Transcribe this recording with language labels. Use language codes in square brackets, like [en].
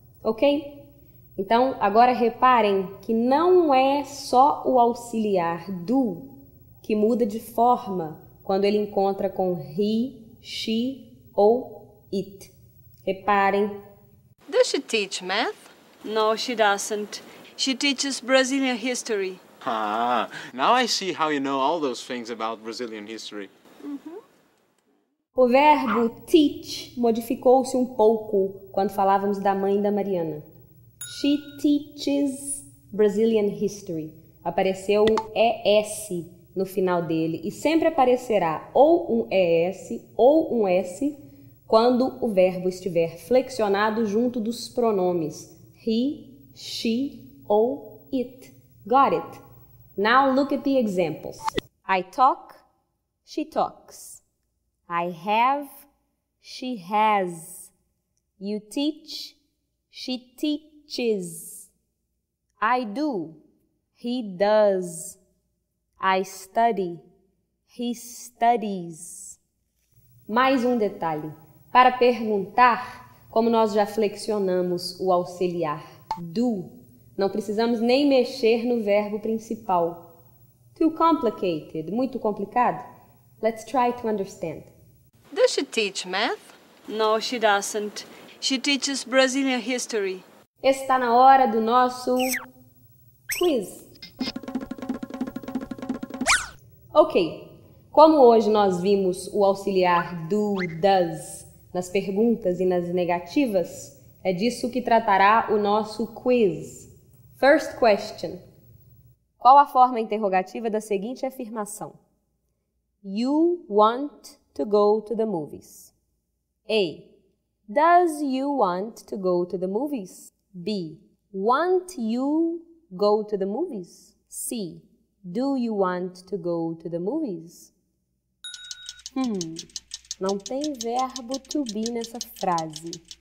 [pt] Ok? Então, agora reparem que não é só o auxiliar do que muda de forma quando ele encontra com he, she ou it. Reparem. [en] Does she teach math? No, she doesn't. She teaches Brazilian history. Ah, now I see how you know all those things about Brazilian history. Uh-huh. [pt] O verbo teach modificou-se um pouco quando falávamos da mãe da Mariana. [en] She teaches Brazilian history. [pt] Apareceu um ES no final dele e sempre aparecerá ou um ES ou um S quando o verbo estiver flexionado junto dos pronomes he, she ou it. [en] Got it? Now look at the examples. I talk, she talks. I have, she has. You teach, she teaches. I do, he does. I study, he studies. [pt] Mais um detalhe. Para perguntar, como nós já flexionamos o auxiliar do, não precisamos nem mexer no verbo principal. [en] Too complicated. [pt] Muito complicado. [en] Let's try to understand. Does she teach math? No, she doesn't. She teaches Brazilian history. [pt] Está na hora do nosso quiz. Ok. Como hoje nós vimos o auxiliar do, does, nas perguntas e nas negativas, é disso que tratará o nosso quiz. [en] First question. [pt] Qual a forma interrogativa da seguinte afirmação? [en] You want to go to the movies. A. Does you want to go to the movies? B. Want you go to the movies? C. Do you want to go to the movies? [pt] Não tem verbo to be nessa frase.